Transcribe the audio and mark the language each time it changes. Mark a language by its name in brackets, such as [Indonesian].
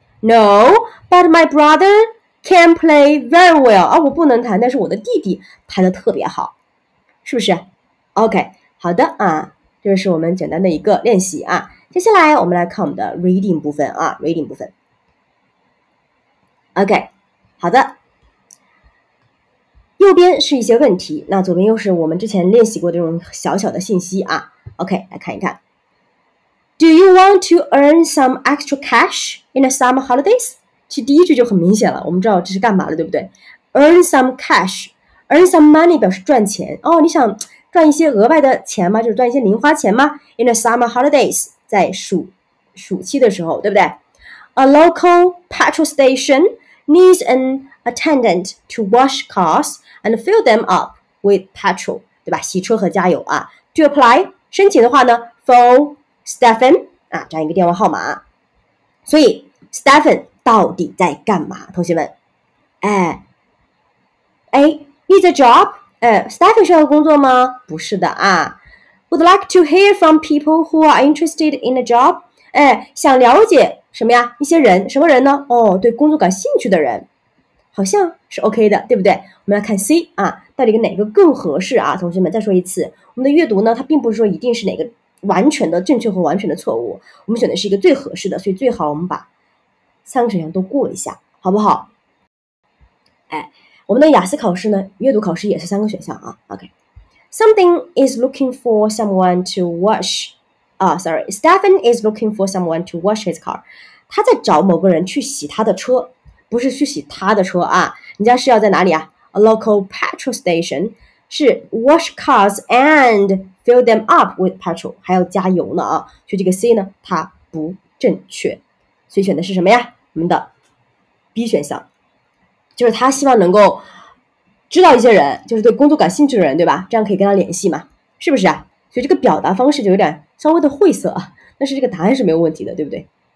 [English] No, but my brother can play very well. [Chinese] 啊，我不能弹，但是我的弟弟弹得特别好，是不是 ？OK， 好的啊，这是我们简单的一个练习啊。接下来我们来看我们的 reading 部分啊 ，reading 部分。 OK， 好的。右边是一些问题，那左边又是我们之前练习过的这种小小的信息啊。 OK， 来看一看。 [English] Do you want to earn some extra cash in the summer holidays? [Chinese] 其实第一句就很明显了，我们知道这是干嘛的，对不对 ？ [English] Earn some cash, earn some money [Chinese] 表示赚钱。哦，你想赚一些额外的钱吗？就是赚一些零花钱吗 [English] ？In the summer holidays, [Chinese] 在暑期的时候，对不对 [English] ？A local petrol station needs an attendant to wash cars and fill them up with petrol, [Chinese] 对吧？洗车和加油啊。 [English] To apply, [Chinese] 申请的话呢 ，for Stephen 啊，这样一个电话号码。所以 Stephen 到底在干嘛？同学们，哎 ， [English] A needs a job [Chinese] 哎。 Stephen 需要工作吗？不是的啊。 [English] Would like to hear from people who are interested in a job [Chinese] 哎，想了解什么呀？一些人，什么人呢？哦，对工作感兴趣的人，好像是 OK 的，对不对？我们来看 C 啊，到底哪个更合适啊？同学们，再说一次，我们的阅读呢，它并不是说一定是哪个。完全的正确和完全的错误，我们选的是一个最合适的，所以最好我们把三个选项都过一下，好不好？哎，我们的雅思考试呢，阅读考试也是三个选项啊。 [English] OK， something is looking for someone to wash. Stephen is looking for someone to wash his car. [Chinese] 他在找某个人去洗他的车，不是去洗他的车啊。人家是要在哪里啊 ？ [English] A local petrol station. 是 wash cars and fill them up with petrol， [Chinese] 还要加油呢啊！所以这个 C 呢，它不正确，所以选的是什么呀？我们的 B 选项，就是他希望能够知道一些人，就是对工作感兴趣的人，对吧？这样可以跟他联系嘛，是不是啊？所以这个表达方式就有点稍微的晦涩，但是这个答案是没有问题的，对不对？